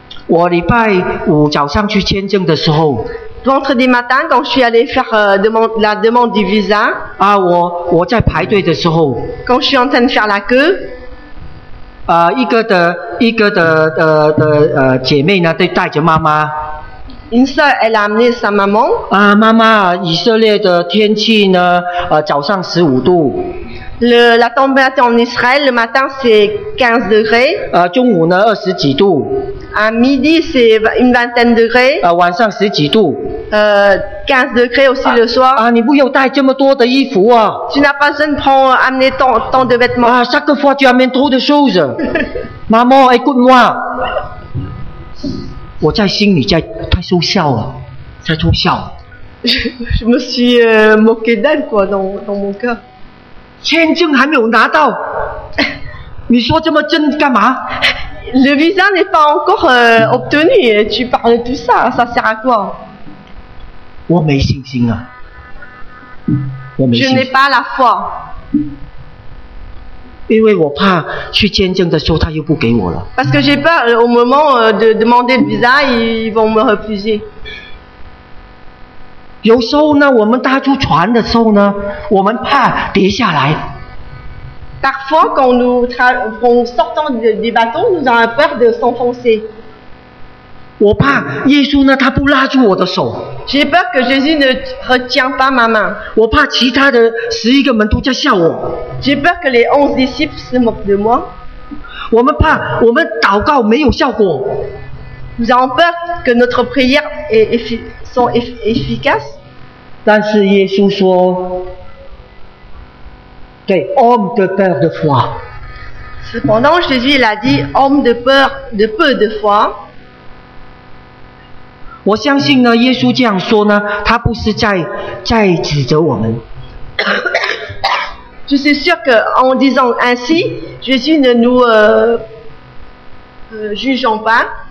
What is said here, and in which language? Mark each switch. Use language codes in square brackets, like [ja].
[zh] 我礼拜五早上去签证的时候， [fr] vendredi matin, quand je suis allée faire la demande du visa, [zh] 我在排队的时候, [fr] quand je suis en train de faire la queue, [zh] 一个姐妹呢, 带着妈妈, [fr] une soeur, elle a amené sa maman. [zh] 妈妈, 以色列的天气呢, 早上 15度, [fr] la température en Israël, le matin, c'est 15 degrés. [zh] 中午呢, 20几度, [fr] à midi, c'est une vingtaine de degrés. [zh] 晚上 10几度, [fr] 15 degrés aussi le soir. [zh] 你不用带这么多的衣服, [fr] tu n'as pas besoin de prendre, amener tant de vêtements. Chaque fois, tu amènes trop de choses. Maman, écoute-moi. [zh] 我在心里在偷笑啊，在偷笑。 [fr] je me suis moqué d'elle quoi dans mon cœur. [zh] 签证还没有拿到， 你说这么真干嘛？ [fr] Le visa n'est pas encore obtenu et tu parles tout ça, ça sert à quoi? [zh] 我没信心啊， [fr] je n'ai pas la foi. [zh] 因为我怕去签证的时候他又不给我了。 [fr] Parce que j'ai peur au moment de demander le visa, ils vont me refuser. [zh] 有时候呢，我们搭住船的时候呢， 我们怕跌下来。 [fr] Parfois quand nous sortons des bateaux, nous avons peur de s'enfoncer. [zh] 我怕耶稣呢，他不拉住我的手。 [fr] J'ai peur que Jésus ne retient pas ma main. [zh] 我怕其他的11个门徒在笑我。 [fr] J'ai peur que les 11 disciples se moquent de moi. [zh] 我们怕我们祷告没有效果。 [fr] Nous avons peur que notre prière soit efficace. [zh] 但是耶稣说， [fr] des hommes de peur de foi. Cependant, Jésus l'a dit, homme de peur de peu de foi. [zh] 我相信呢，耶稣这样说呢，他不是在指责我们。 [fr] Je suis sûr que en disant ainsi, Jésus ne nous juge pas.